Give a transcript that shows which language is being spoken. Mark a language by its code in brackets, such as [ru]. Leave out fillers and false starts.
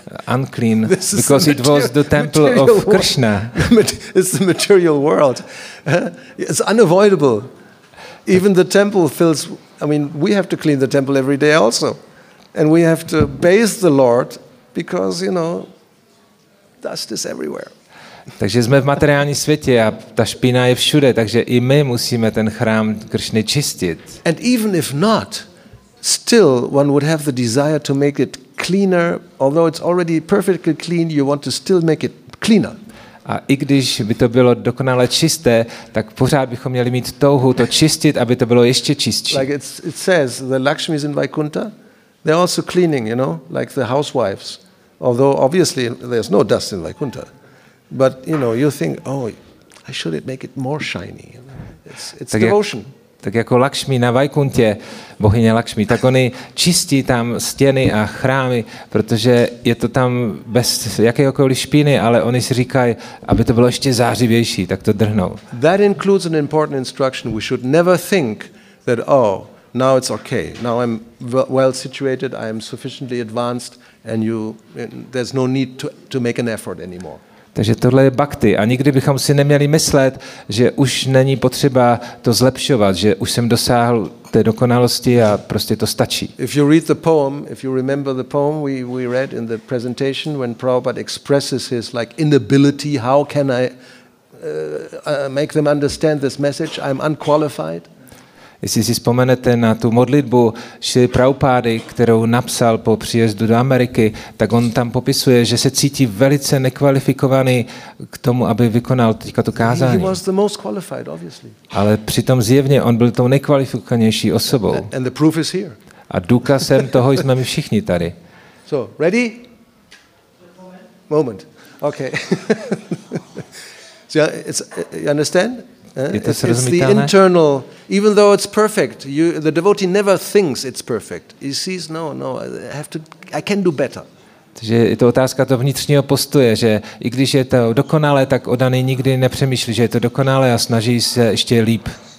[en] unclean because it was the temple of Krishna. It's the material world. It's unavoidable. Even the temple fills, I mean, we have to clean the temple every day also. And we have to bathe the Lord because, you know, dust is everywhere. [cs] Takže jsme v materiální světě a ta špína je všude, takže i my musíme ten chrám Kršny čistit. [en] And even if not, still one would have the desire to make it cleaner, although it's already perfectly clean, you want to still make it cleaner. [cs] A i když by to bylo dokonale čisté, tak pořád bychom měli mít touhu to čistit, aby to bylo ještě čistší. [en] Like it says, the Lakshmis in Vaikuntha, they're also cleaning, you know, like the housewives. Although obviously there's no dust in Vaikuntha. But you know, you think, oh, I should make it more shiny. It's [cs] tak [en] devotion. [cs] Tak jako Lakšmi na Vaikuntě, bohyně Lakšmi, tak oni čistí tam stěny a chrámy, protože je to tam bez jakéhokoliv špíny, ale oni si říkají, aby to bylo ještě zářivější, tak to drhnou. [en] That includes an important instruction. We should never think that, oh, now it's okay. Now I'm well situated, I am sufficiently advanced, and there's no need to make an effort anymore. [cs] Takže tohle je bhakti a nikdy bychom si neměli myslet, že už není potřeba to zlepšovat, že už jsem dosáhl té dokonalosti a prostě to stačí. [en] If you read the poem, if you remember the poem we read in the presentation when Prabhupada expresses his like inability, how can I make them understand this message? I'm unqualified. [cs] Jestli si vzpomenete na tu modlitbu Šrily Prabhupády, kterou napsal po příjezdu do Ameriky, tak on tam popisuje, že se cítí velice nekvalifikovaný k tomu, aby vykonal teďka to kázání. [en] He was the most qualified, obviously. [cs] Ale přitom zjevně on byl tou nejkvalifikovanější osobou. [en] And the proof is here. [cs] A důkazem toho jsme my všichni tady. [en] So, ready? Moment. Okay. So, you understand? It's the internal, even though it's perfect, the devotee never thinks it's perfect. He sees, no, I can do better. [cs] Takže je to otázka toho vnitřního postoje, že i když je to dokonalé, tak oddaný nikdy nepřemýšlí, že je to dokonalé a snaží se ještě líp.